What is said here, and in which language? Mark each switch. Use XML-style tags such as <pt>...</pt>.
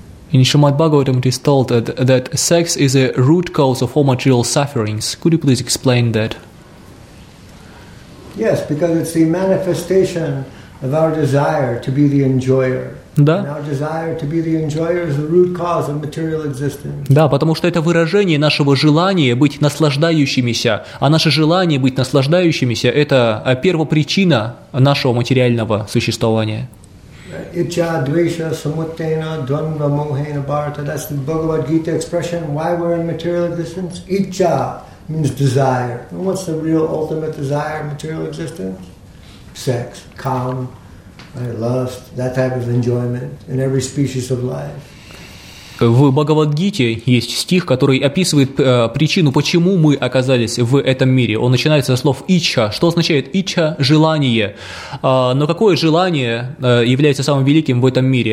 <en>In Srimad Bhagavatam, it is told that sex is a root cause of all material sufferings. Could you please explain that? Yes, because it's the manifestation of our desire to be the enjoyer.</en> <ru>Да?</ru> <en>And our desire to be the enjoyer is the root cause of material existence.</en> <ru>Да, потому что это выражение нашего желания быть наслаждающимися, а наше желание быть наслаждающимися – это первопричина нашего материального существования.</ru> <sa>Ichha, dvesha, samuttena, dvandva, mohena, bharata.</sa> <en>That's the Bhagavad Gita expression. Why we're in material existence? Ichha means desire. And what's the real ultimate desire of material existence? Sex, kaam, right, lust, that type of enjoyment in every species of life.</en> <ru>В Бхагавад-гите есть стих, который описывает причину, почему мы оказались в этом мире. Он начинается со слов «ичха». Что означает «ичха»? Желание. Но какое желание является самым великим в этом мире?</ru>